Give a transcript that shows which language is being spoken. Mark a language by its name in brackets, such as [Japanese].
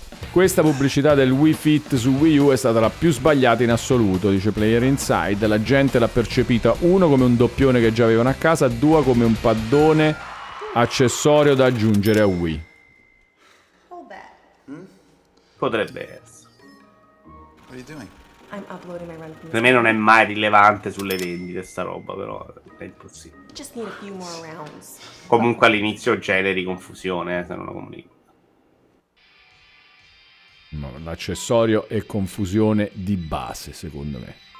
[Italian] Questa pubblicità del Wii Fit su Wii U è stata la più sbagliata in assoluto, dice Player Inside. La gente l'ha percepita, uno, come un doppione che già avevano a casa, due, come un paddone accessorio da aggiungere a Wii. Potrebbe essere. [English] What are you doing? I'm uploading my run. [Italian] Per me non è mai rilevante sulle vendite sta roba, però è impossibile. [English] Just need a few more rounds. [Italian] Comunque all'inizio generi confusione, se non lo comunico. No, l'accessorio è confusione di base, secondo me.